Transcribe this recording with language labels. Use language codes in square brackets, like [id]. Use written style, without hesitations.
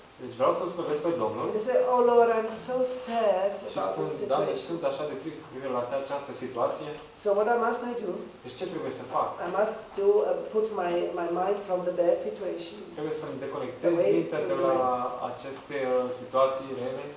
[ro] Deci vreau să-L slăvesc pe Domnul. [en] And say, oh Lord, I'm so sad. [ro] Și spun, Doamne, sunt așa de trist cu privire la această situație. [en] So what must I do? [ro] Deci ce trebuie să fac? [en] I must do put my mind from the bad situation. [ro] Trebuie să-mi deconectez mintea de la aceste situații rele.